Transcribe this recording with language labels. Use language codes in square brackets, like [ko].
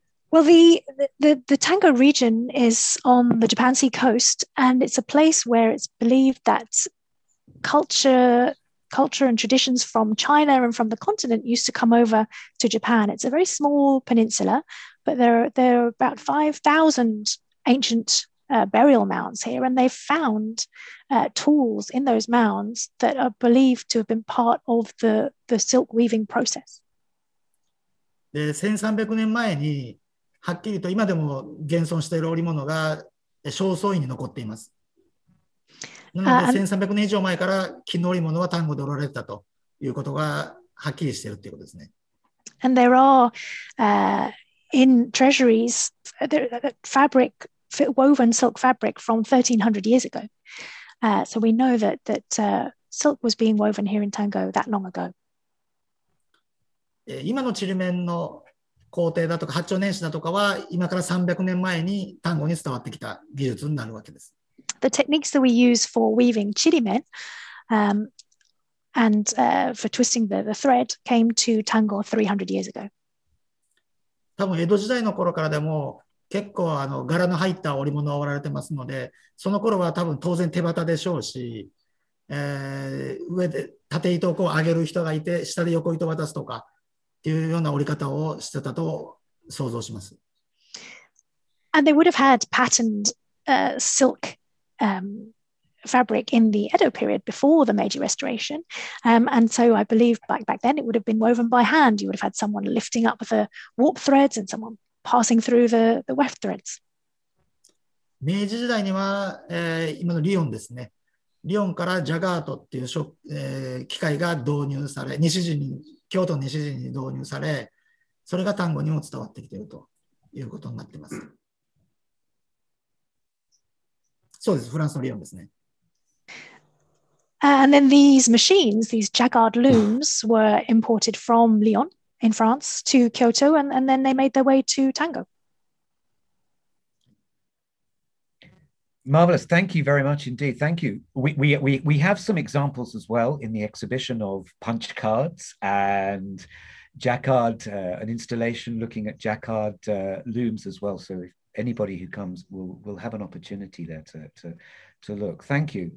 [en] Well, the Tango region is on the Japan Sea coast, and it's a place where it's believed that culture and traditions from China and from the continent used to come over to Japan. It's a very small peninsula, but there are about 5,000 ancient burial mounds here, and they've found tools in those mounds that are believed to have been part of the silk weaving process. [ja] で1300年前にはっきりと今でも現存している織物が正倉院に残っています。なので1300年以上前から絹織物は丹後で織られたということがはっきりしているということですね。 [en] And there are in treasuries fabric woven silk fabric from 1300 years ago、so we know that silk was being woven here in Tango that long ago. [ja] 今のチリメンの工程だとか八丁年始だとかは今から300年前に丹後に伝わってきた技術になるわけです。 [en] The techniques that we use for weaving chirimen and for twisting the thread came to Tango 300 years ago. [ja] 多分江戸時代の頃からでも結構柄の入った織物を織られてますので、その頃は多分当然手旗でしょうし、上で縦糸をこう上げる人がいて下で横糸を渡すとかというような織り方をしてたと想像します。 [en] And they would have had patterned silk fabric in the Edo period before the Meiji Restoration. And so I believe back then it would have been woven by hand. You would have had someone lifting up the warp threads and someone passing through the weft threads. [ja] 明治時代には、今のリヨンですね。リヨンからジャガートっていう機械が導入され、西陣に京都の西陣に導入され、それが丹後にも伝わってきているということになっています。そうです、フランスのリヨンですね。 [en] And then these machines, these Jacquard looms, were imported from Lyon in France to Kyoto, and then they made their way to Tango. Marvelous. Thank you very much indeed. Thank you. We have some examples as well in the exhibition of punch cards and jacquard, an installation looking at jacquard looms as well. So if anybody who comes will have an opportunity there to look. Thank you.